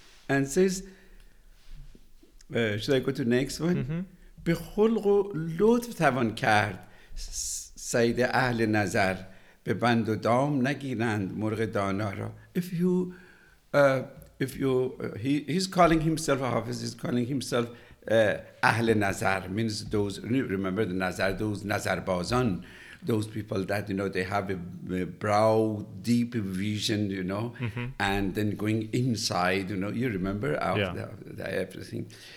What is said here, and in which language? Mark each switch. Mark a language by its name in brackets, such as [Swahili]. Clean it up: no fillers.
[English] And says, should I go to next one? [Persian] به خلق و لطف توان کرد سید اهل نظر. [English] If he's calling himself Hafiz, he's calling himself Ahl Nazar, means those, remember the Nazar, those Nazarbazan, those people that, you know, they have a brow, deep vision, you know, and then going inside, you know, you remember the everything.